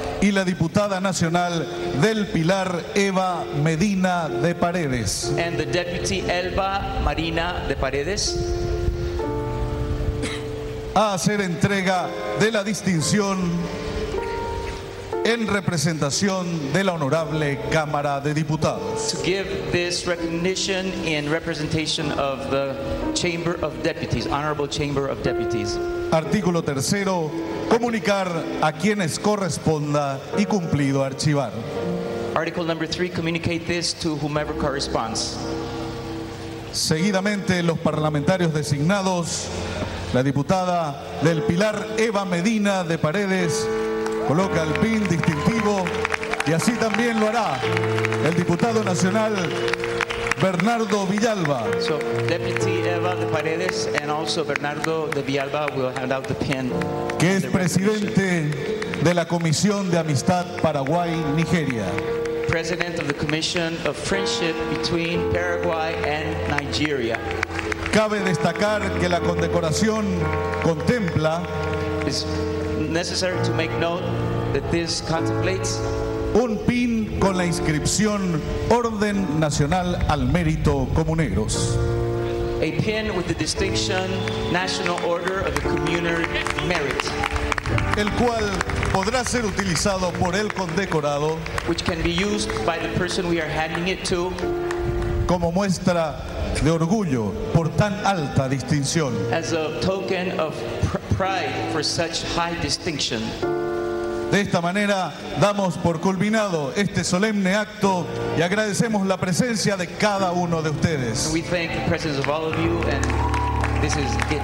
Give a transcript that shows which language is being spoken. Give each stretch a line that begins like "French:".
Spanish: Y la diputada nacional del Pilar Eva Medina de Paredes.
English: And the Deputy Elba Marina de Paredes.
Spanish: A hacer entrega de la distinción en representación de la honorable Cámara de Diputados.
English: To give this recognition in representation of the Chamber of Deputies, Honorable Chamber of Deputies.
Spanish: Artículo tercero, comunicar a quienes corresponda y cumplido archivar.
English: Article number three, communicate this to whomever corresponds.
Spanish: Seguidamente, los parlamentarios designados, la diputada del Pilar Eva Medina de Paredes, coloca el pin distintivo y así también lo hará el diputado nacional Bernardo Villalba.
English: So, Deputy Eva de Paredes and also Bernardo de Villalba will hand out the pin.
Spanish: Que es presidente de la Comisión de Amistad Paraguay-Nigeria.
English: President of the Commission of Friendship between Paraguay and Nigeria.
Spanish: Cabe destacar que la condecoración contempla.
English: It's necessary to make note that this contemplates.
Spanish: Un pin con la inscripción Orden Nacional al Mérito Comuneros.
English: A pin with the distinction National Order of the Communer Merit.
Spanish: El cual podrá ser utilizado por el condecorado.
English: Which can be used by the person we are handing it to.
Spanish: Como muestra de orgullo por tan alta distinción.
English: As a token of pride for such high distinction.
Spanish: De esta manera, damos por culminado este solemne acto y agradecemos la presencia de cada uno de ustedes.
English: We thank the presence of all of you, and this is it.